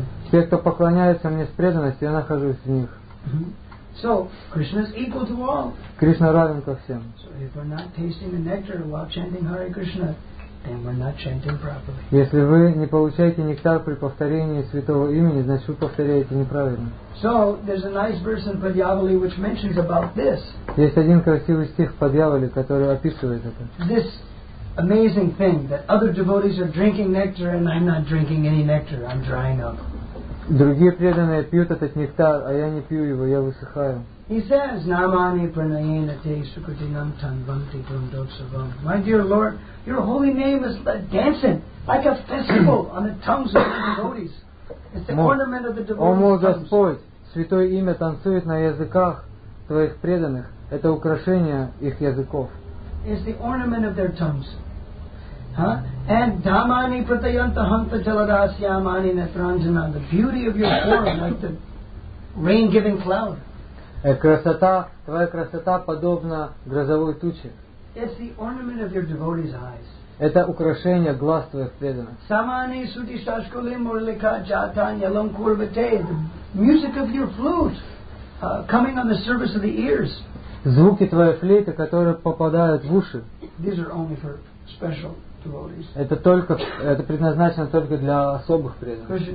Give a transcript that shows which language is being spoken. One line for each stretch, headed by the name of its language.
Russian: Те, кто поклоняются мне с преданностью, я нахожусь в них.
English: So Krishna is equal to all.
Russian: Кришна равен ко всем.
English: So if we're not tasting the nectar while chanting Hare Krishna, then we're not chanting properly.
Russian: Если вы не получаете нектар при повторении святого имени, значит вы повторяете неправильно.
English: So there's a nice verse in Padyavali which mentions about this.
Russian: Есть один красивый стих в Падьяволе, который описывает это.
English: This amazing thing that other devotees are drinking nectar and I'm not drinking any nectar. I'm drying up.
Russian: Другие преданные пьют этот нектар, а я не пью его, я высыхаю.
English: He says,
Sanskrit: Namani pranayena te sukutinam tan bhanti tum doksavam.
English: My dear Lord, your holy name is dancing like a festival on the tongues of the devotees. It's the ornament of the devotees.
Russian: О мой Господь, святое имя танцует на языках твоих преданных. Это украшение их языков.
English: It's the ornament of their tongues. Huh? And
Sanskrit: Dhamani Pratayanta Hanta Jaladasyamani Netranjana,
English: the beauty of your form like the rain giving cloud.
Russian: Красота, твоя красота подобна грозовой туче.
English: It's the ornament of your devotees' eyes.
Russian: Это украшение глаз твоих преданных.
Sanskrit: Samani Suti Shashkuli Murlika Jatanya Lankurvate,
English: the music of your flute, coming on the surface of the ears.
Russian: Звуки твоей флейты, которые попадают в уши.
English: These are only for special.
Russian: Это предназначено только для особых преданных.